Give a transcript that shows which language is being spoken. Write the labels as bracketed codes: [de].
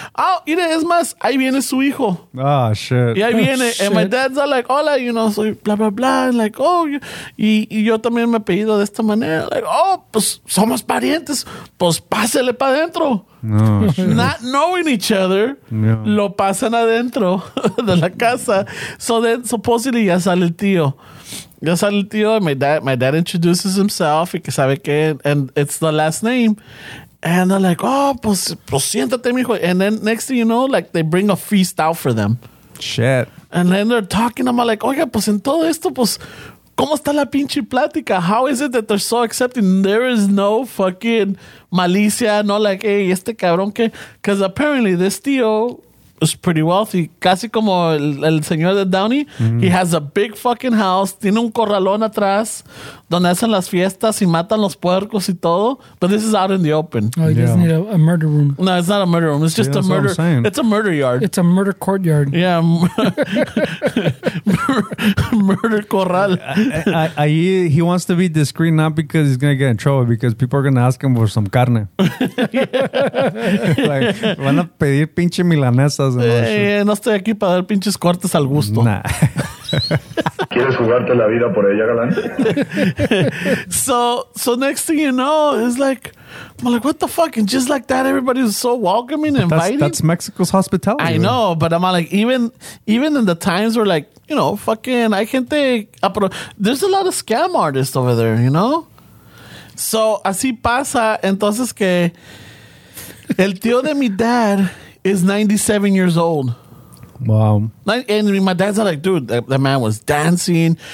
[es] Oh, mire, es más, ahí viene su hijo. [en] Ah, oh, shit. [es] Y ahí viene. [en] Oh, and my dad's all like, hola, you know, soy blah, blah, blah. And like, oh, [es] y yo también me he pedido de esta manera. Like, oh, pues somos parientes. Pues pásele para adentro. No, [en] not knowing each other, [es] lo pasan adentro de la casa. [en] So then, supposedly, [es] ya sale el tío. Ya sale el tío, [en] and my dad introduces himself, [es] y que sabe que, [en] and it's the last name. And they're like, oh, [es] pues siéntate, mijo. [en] And then, next thing you know, like, they bring a feast out for them. Shit. And then they're talking, I'm like, [es] oiga, pues en todo esto, pues, ¿Cómo está la pinche plática? [en] How is it that they're so accepting? There is no fucking malicia, no like, hey, [es] este cabrón que... [en] Because apparently this tío is pretty wealthy. [es] Casi como el señor de Downey. [en] Mm. He has a big fucking house. [es] Tiene un corralón atrás donde hacen las fiestas y matan los puercos y todo. [en] But this is out in the open. Oh, he doesn't need a murder room. No, it's not a murder room. It's just a murder... It's a murder yard. It's a murder courtyard. Yeah. Murder corral. He wants to be discreet, not because he's going to get in trouble, because people are going to ask him for some carne. [es] Like, van a pedir pinche milanesa. No estoy aquí para dar pinches cortes al gusto. [en] Nah. [es] ¿Quieres jugarte la vida por ella, galán? [en] So next thing you know, it's like, I'm like, what the fuck? And just like that, everybody's so welcoming and inviting. That's Mexico's hospitality. I know, but I'm like, even in the times where, like, you know, fucking, I can't think. There's a lot of scam artists over there, you know? [es] So, así pasa, entonces que el tío de mi dad... [en] is 97 years old. Wow. And my dad's like, dude, that man was dancing.